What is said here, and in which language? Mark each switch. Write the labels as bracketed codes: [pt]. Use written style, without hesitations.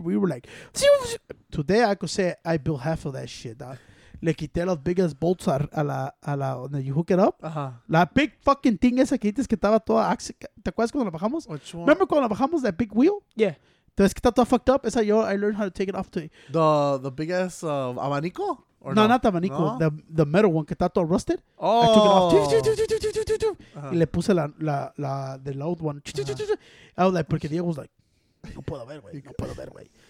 [en] We were like, today I could say I built half of that shit, dog. [es] Le quité los [en] biggest bolts [es] a la, donde [en] you hook it up. Uh-huh. [es] La [en] big fucking thing [es] esa que dices que estaba toda, ¿te acuerdas cuando la bajamos? [en] Which one? Remember [es] cuando la bajamos, [en] that big wheel? Yeah. [es] Entonces que está toda [en] fucked up. [es] Esa yo, [en] I learned how to take it off today. The biggest abanico? Or no, not the abanico. No? The metal one [es] que está todo [en] rusted. Oh. I took it off. Uh-huh. [es] Y le puse la [en] the loud one. [es] Uh-huh. [en] I was like, [es] porque Diego [en] was like, [es] no puedo ver, güey. No puedo ver, güey.